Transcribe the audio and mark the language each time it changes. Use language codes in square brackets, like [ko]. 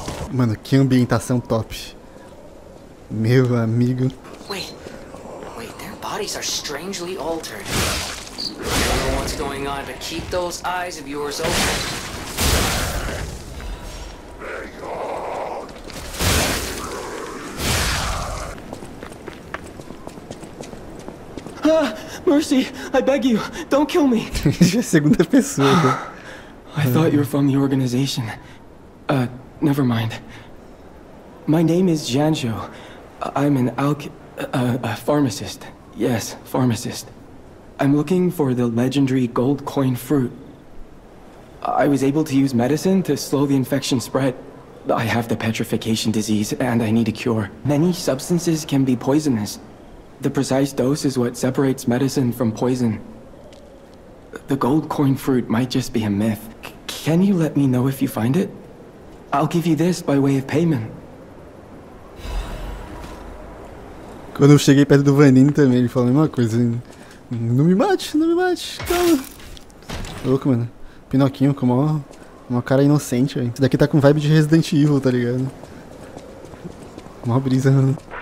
[pt] Mano, que ambientação top. Meu amigo. [en] Wait, their bodies are strangely altered. What's going on? But keep those eyes of yours open. Ah, mercy, I beg you, don't kill me. [pt] Já é segunda pessoa. Cara. [en] I thought you were from the organization. Never mind. My name is Janjo. I'm an pharmacist. Yes, pharmacist. I'm looking for the legendary gold coin fruit. I was able to use medicine to slow the infection spread. I have the petrification disease and I need a cure. Many substances can be poisonous. The precise dose is what separates medicine from poison. The gold coin fruit might just be a myth. Can you let me know if you find it? I'll give you this by way of payment. [pt] Quando eu cheguei perto do Vanin também, ele falou a mesma coisa. Não me mate, não me mate, calma. Louco, mano. Pinoquinho com uma cara inocente, velho. Isso daqui tá com vibe de Resident Evil, tá ligado? Mó brisa, mano.